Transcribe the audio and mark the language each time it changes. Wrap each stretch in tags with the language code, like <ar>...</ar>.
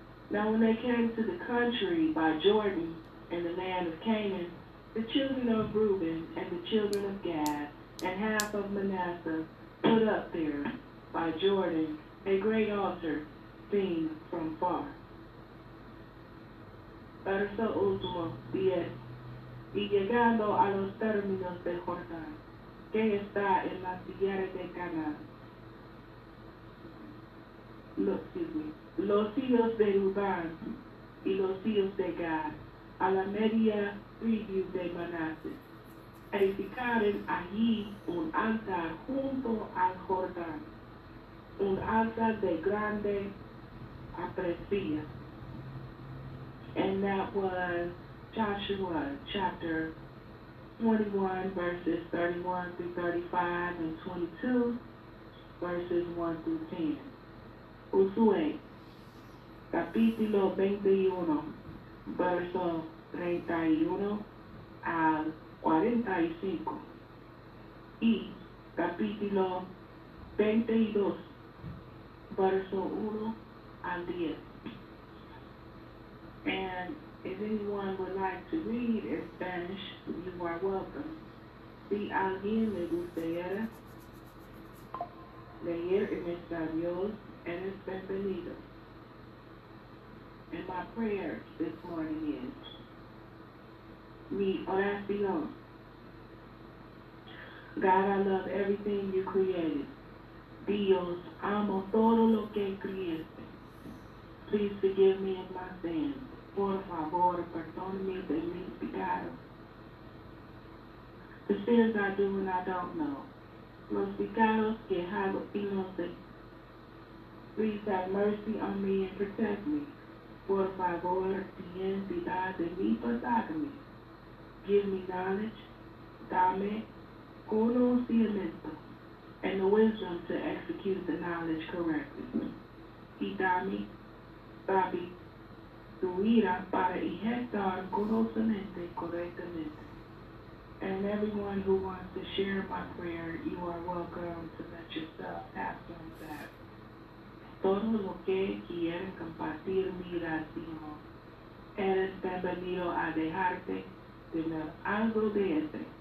<en>Now when they came to the country by Jordan in the land of Canaan, the children of Reuben and the children of Gad and half of Manasseh put up there by Jordan a great altar seen from far.</en> <es>Verso último, 10. Y llegando a los términos de Jordán, que está en la tierra de Canaán, los hijos de Rubán y los hijos de Gad, a la media tribu de Manasés, edificaron allí un altar junto al Jordán, un altar de grande aprecia.</es> <en>And that was Joshua chapter 21, verses 31 through 35, and 22, verses 1 through 10.</en> <es>Josué, capítulo 21, verso 31 al 45. Y capítulo 22, verso 1 al 10.</es> <en>And If anyone would like to read in Spanish, you are welcome.</en> <es>Si alguien le gustaría leer en español, eres bienvenido.</es> <en>And my prayer this morning is,</en> <es>mi oración.</es> <en>God, I love everything you created.</en> <es>Dios, amo todo lo que creaste.</es> <en>Please forgive me of my sins.</en> <es>Por favor, perdóname de mis pecados.</es> <en>The sins I do and I don't know.</en> <es>Los pecados que hago y no sé.</es> <en>Please have mercy on me and protect me.</en> <es>Por favor, ten piedad de mí, perdóname.</es> <en>Give me knowledge.</en> <es>Dame conocimiento.</es> <en>And the wisdom to execute the knowledge correctly.</en> <es>Y dame, papi, tu ira para ejecutar conocimiento correctamente.</es> <en>And everyone who wants to share my prayer, you are welcome to let yourself pass on that.</en> <es>Todo lo que quieren compartir mi oración, eres bienvenido a dejarte tener algo de este.</es>